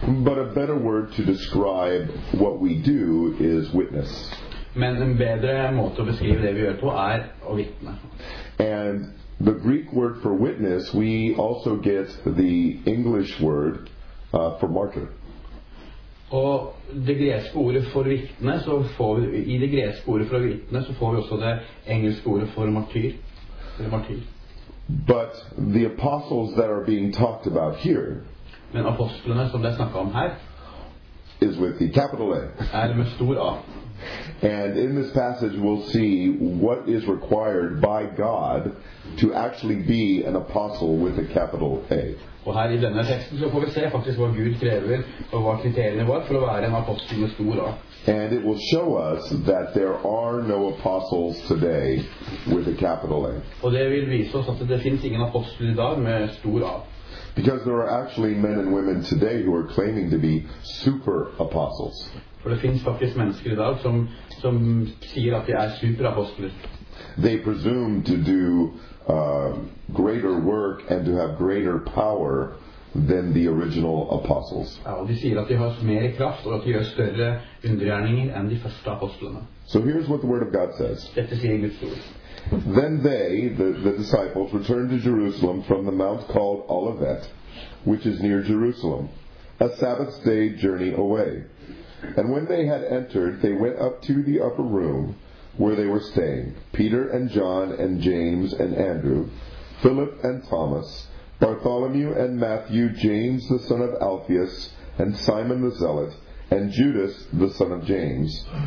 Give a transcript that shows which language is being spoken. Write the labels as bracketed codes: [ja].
[en] But a better word to describe what we do is witness. [no] Men en bedre måte å beskrive det vi gjør på er å vitne. [en] And the Greek word for witness, we also get the English word for martyr. [no] Og det greske ordet for vitne, så får vi, i det greske ordet for vitne, så får vi også det engelske ordet for martyr. [en] But the apostles that are being talked about here, [no] men apostlene som det snakket om her, [en] is with the capital A. [no] Er med stor A. [en] And in this passage we'll see what is required by God to actually be an apostle with a capital A. [no] Og her i denne teksten så får vi se faktisk hva Gud krever og hva kriteriene var for å være en apostel med stor A. [en] And it will show us that there are no apostles today with a capital A. [no] Og det vil vise oss at det finnes ingen apostel i dag med stor A. [en] Because there are actually men and women today who are claiming to be super apostles. [no] For det finnes faktisk mennesker i dag som sier at de er super apostler. [en] They presume to do greater work and to have greater power than the original apostles. [no] Ja, og de sier at de har mer kraft og at de gjør større undergjerninger enn de første apostlene. [en] So here's what the word of God says. [no] Dette sier Guds ord. [en] Then they, the disciples, returned to Jerusalem from the mount called Olivet, which is near Jerusalem, a Sabbath day journey away. And when they had entered, they went up to the upper room where they were staying, Peter and John and James and Andrew, Philip and Thomas, Bartholomew and Matthew, James the son of Alphaeus, and Simon the Zealot, and Judas the son of James.